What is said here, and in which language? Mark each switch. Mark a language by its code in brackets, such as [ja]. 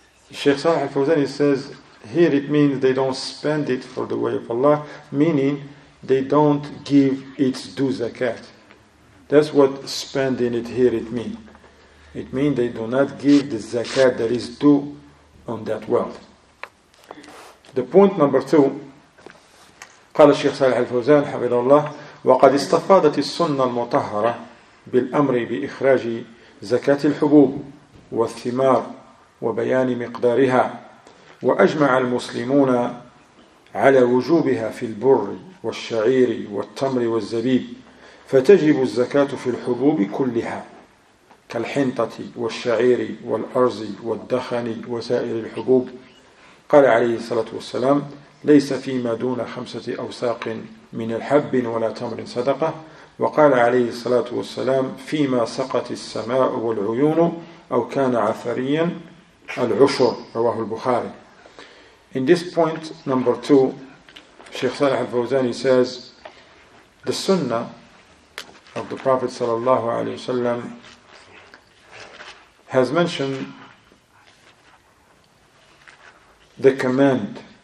[en] Shaykh Salih al-Fawzan says here it means they don't spend it for the way of Allah, meaning they don't give its due zakat. That's what spending it here it means. It means they do not give the zakat that is due on that wealth. The point number 2, [ar] قال الشيخ صالح الفوزان حفظه الله وقد استفادت السنة المطهرة بالأمر بإخراج زكاة الحبوب والثمار وبيان مقدارها وأجمع المسلمون على وجوبها في البر والشعير والتمر والزبيب فتجب الزكاة في الحبوب كلها كالحنطة والشعير والأرز والدخن وسائر الحبوب. قال عليه الصلاة والسلام ليس فيما دون 5 أوساق من الحب ولا تمر صدقة. وقال عليه الصلاة والسلام فيما سقت السماء والعيون أو كان عثريا العشر. رواه البخاري. [en] In this point number 2, Sheikh Salih al-Fawzani says the sunnah of the Prophet [ar] صلى الله عليه وسلم [en] has mentioned the command.